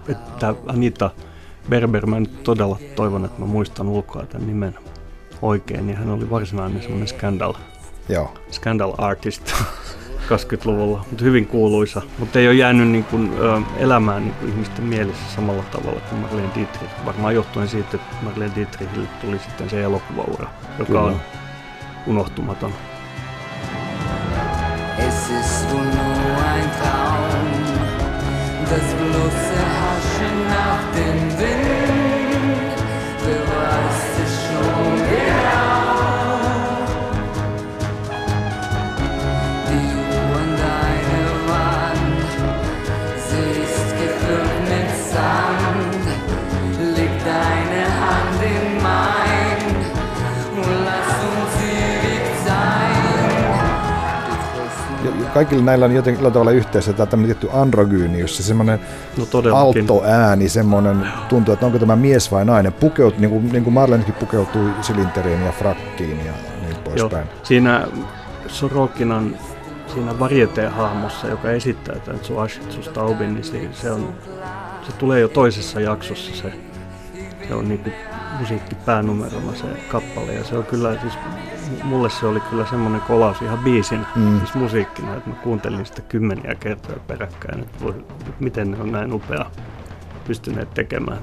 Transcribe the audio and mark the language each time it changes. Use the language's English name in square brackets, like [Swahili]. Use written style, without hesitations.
[Finnish] Että Anita Berber, mä nyt todella toivon, että mä muistan ulkoa tämän nimen oikein, niin hän oli varsinainen semmoinen [English] scandal artist [Finnish] 20-luvulla, mutta hyvin kuuluisa. Mutta ei ole jäänyt niin kuin elämään niin kuin ihmisten mielessä samalla tavalla kuin Marlene Dietrich. Varmaan johtuen siitä, että Marlene Dietrichille tuli sitten se elokuvaura, joka on unohtumaton. [German] Es ist wohl nur ein Traum, das bloße Hauschen nach dem Wind. Du weißt es schon genau. Die Uhr an deiner Wand, sie ist gefüllt mit Sand. Leg deine Hand in mein und lass uns ewig sein. [Finnish] Kaikilla näillä on jotenkin tavalla yhteensä tämmöinen tietty androgyynius, semmoinen alto ääni, semmoinen tuntuu, että onko tämä mies vai nainen, pukeutui, niin kuin Marlenekin pukeutui silinteriin ja frakkiin ja niin poispäin. Joo. Siinä Sorokinan, siinä varieteen hahmossa, joka esittää tämän Zu Asches, Zu Staubin, niin se tulee jo toisessa jaksossa, se on niin kuin musiikkipäänumerona se kappale, ja se on kyllä siis mulle se oli kyllä semmoinen kolaus ihan biisin, siis musiikkina, että mä kuuntelin sitä kymmeniä kertoja peräkkäin, että miten ne on näin upea pystyneet tekemään.